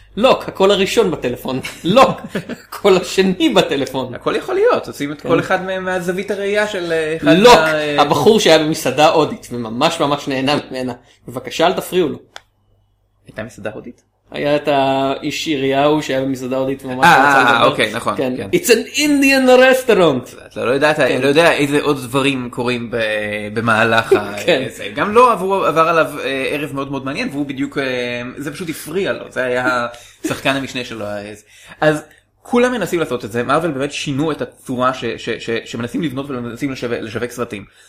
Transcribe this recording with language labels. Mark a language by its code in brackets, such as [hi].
[he] לוק, הקול הראשון בטלפון. לוק, הקול השני בטלפון. הכל יכול להיות, עושים את כל אחד מהזווית הראייה של... לוק, הבחור שהיה במסעדה הודית, וממש ממש נהנה ממנה. בבקשה, אל תפריעו לו. הייתה מסעדה הודית? היה את האיש עירייהו שהיה במסעדה הודית. אוקיי, נכון. [en] It's an Indian restaurant. [he] אתה לא יודעת, אני לא יודע איזה עוד דברים קורים במהלך. גם לא עבר עליו ערב מאוד מאוד מעניין, והוא בדיוק, זה פשוט הפריע לו. זה היה שחקן המשנה שלו. אז כולם מנסים לעשות את זה. מרוול באמת שינו את הצורה שמנסים לבנות ומנסים לשווק סרטים.